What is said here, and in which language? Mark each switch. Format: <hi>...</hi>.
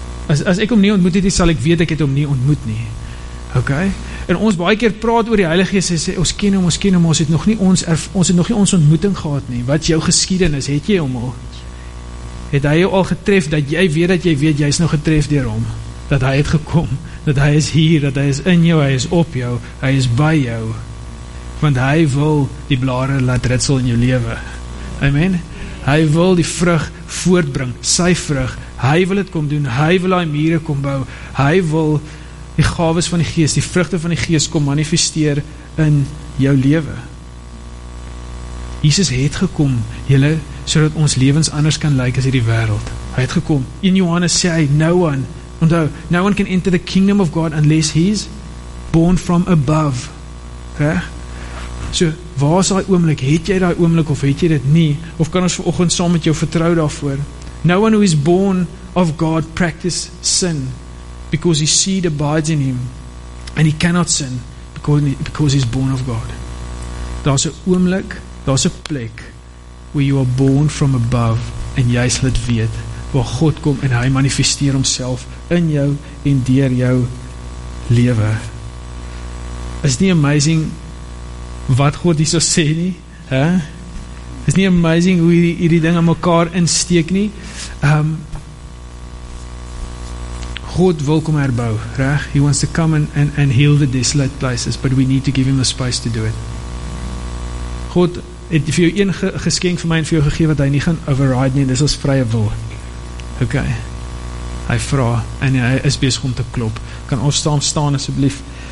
<af>As ek hom nie ontmoet het, sal ek weet ek het hom nie ontmoet nie, ok? En ons baie keer praat oor die Heilige Gees en sê, ons ken hom, ons het nog nie ons ontmoeting gehad nie. Wat is jou geskiedenis? Het jy hom al? Het hy jou al getref, dat jy weet, jy is nou getref deur hom? Dat hy het gekom, dat hy is hier, dat hy is in jou, hy is op jou, hy is by jou. Want hy wil die blare laat ritsel in jou lewe. Amen? Hy wil die vrug voortbring, sy vrug. Hy wil het kom doen, hy wil die mure kom bou, hy wil die gawes van die gees, die vrugte van die gees kom manifesteer in jou lewe. Jesus het gekom, julle, sodat ons lewens anders kan lyk as hierdie wêreld. Hy het gekom. In Johannes sê hy,</af> <en>no one can enter the kingdom of God unless he's born from above.</en> <af>Reg? So, waar is daai oomblik? Het jy daai oomblik of het jy dit nie? Of kan ons vanoggend saam met jou vertrou daarvoor?</af> <en>No one who is born of God practice sin, because his seed abides in him, and he cannot sin because he is born of God.</en> <af>daar is 'n oomblik, daar is 'n plek,</af> <en>where you are born from above,</en> <af>en jy sal dit weet, waar God kom en hy manifesteer homself in jou en deur jou lewe. Is nie amazing wat God hier so sê nie? He? Is nie amazing hoe hierdie ding aan mekaar insteek nie? God wil kom herbou, reg?</af> <en>He wants to come and heal the desolate places, but we need to give him the space to do it.</en> <af>God het vir jou een geskenk vir my en vir jou gegee wat hy nie gaan override nie, dis ons vrye wil. Okay. Hy vra, en hy is besig om te klop. Kan ons saam staan asseblief?</af>